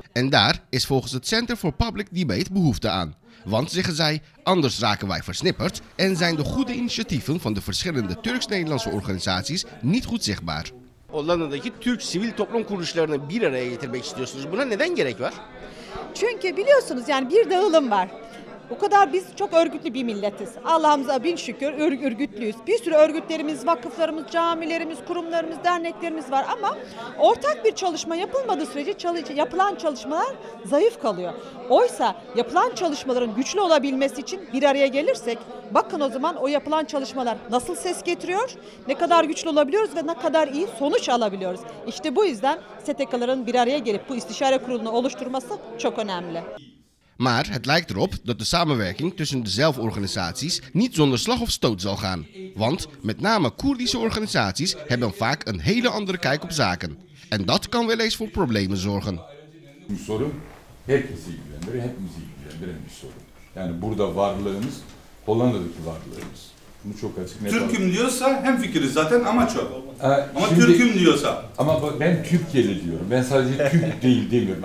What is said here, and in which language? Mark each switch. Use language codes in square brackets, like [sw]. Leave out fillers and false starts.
[nl] En daar is volgens het Center for Public Debate behoefte aan. Want, zeggen zij, anders raken wij versnipperd en zijn de goede initiatieven van de verschillende Turks-Nederlandse organisaties niet goed zichtbaar. [tr] Hollanda'daki Türk sivil toplum kuruluşlarını bir araya getirmek istiyorsunuz. Buna neden gerek var? Çünkü biliyorsunuz yani bir dağılım var. O kadar biz çok örgütlü bir milletiz. Allah'ımıza bin şükür örgütlüyüz. Bir sürü örgütlerimiz, vakıflarımız, camilerimiz, kurumlarımız, derneklerimiz var ama ortak bir çalışma yapılmadığı sürece yapılan çalışmalar zayıf kalıyor. Oysa yapılan çalışmaların güçlü olabilmesi için bir araya gelirsek, bakın o zaman o yapılan çalışmalar nasıl ses getiriyor, ne kadar güçlü olabiliyoruz ve ne kadar iyi sonuç alabiliyoruz. İşte bu yüzden STK'ların bir araya gelip bu istişare kurulunu oluşturması çok önemli. [nl] Maar het lijkt erop dat de samenwerking tussen de zelforganisaties niet zonder slag of stoot zal gaan. Want met name Koerdische organisaties hebben vaak een hele andere kijk op zaken. En dat kan wel eens voor problemen zorgen. [tr] Bu sorun herkesi ilgilendiren, hepimizi ilgilendiren bir sorun. Yani burada varlığımız Hollanda'daki varlığımız. Bunu çok açık net. Türk'üm diyorsa hem fikiriz zaten amaç o. Ama şimdi, Türk'üm diyorsa. Ama bak, ben Türkiye'li diyorum. Ben sadece Türk değil demiyorum.